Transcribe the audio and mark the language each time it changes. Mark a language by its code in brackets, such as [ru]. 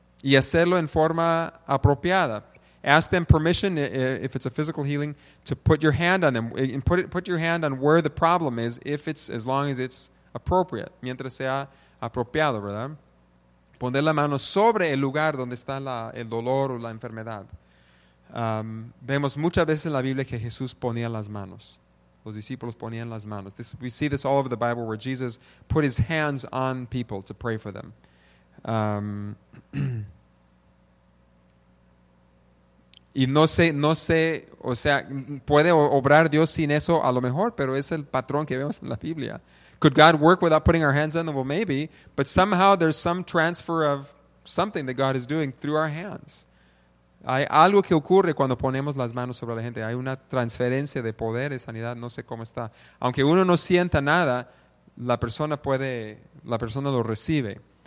[es] y hacerlo en forma apropiada. [en] Ask them permission, if it's a physical healing, to put your hand on them and put your hand on where the problem is, if it's, as long as it's appropriate, [es] mientras sea apropiado, ¿verdad? Poner la mano sobre el lugar donde está el dolor o la enfermedad. Vemos muchas veces en la Biblia que Jesús ponía las manos. Los discípulos ponían las manos. [en] We see this all over the Bible where Jesus put his hands on people to pray for them. [es] y no sé, o sea, puede obrar Dios sin eso a lo mejor, pero es el patrón que vemos en la Biblia. [en] Could God work without putting our hands on them? Well, maybe, but somehow there's some transfer of something that God is doing through our hands. [es] Hay algo que ocurre cuando ponemos las manos sobre la gente. Hay una transferencia de poder, de sanidad, no sé cómo está. Aunque uno no sienta nada, la persona lo recibe.